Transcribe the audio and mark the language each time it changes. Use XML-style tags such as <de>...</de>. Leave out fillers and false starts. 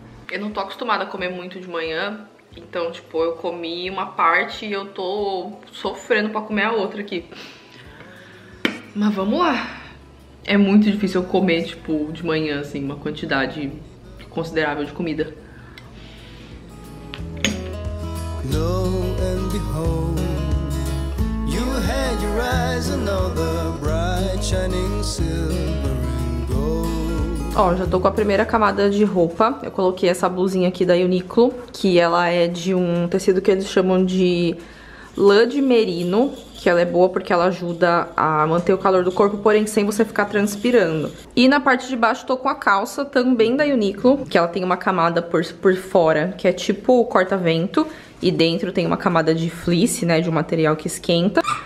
<pt>Eu não tô acostumada a comer muito de manhã. Então, tipo, eu comi uma parte e eu tô sofrendo pra comer a outra aqui. Mas vamos lá. É muito difícil eu comer, tipo, de manhã, assim, uma quantidade considerável de comida.</pt> <en>Lo and behold, you had your eyes on all the bright shining silver and gold.</en> <pt>Ó, já tô com a primeira camada de roupa. Eu coloquei essa blusinha aqui da Uniqlo, que ela é de um tecido que eles chamam de lã de merino, que ela é boa porque ela ajuda a manter o calor do corpo, porém sem você ficar transpirando. E na parte de baixo tô com a calça também da Uniqlo, que ela tem uma camada por fora, que é tipo corta-vento, e dentro tem uma camada de fleece, né, de um material que esquenta.</pt>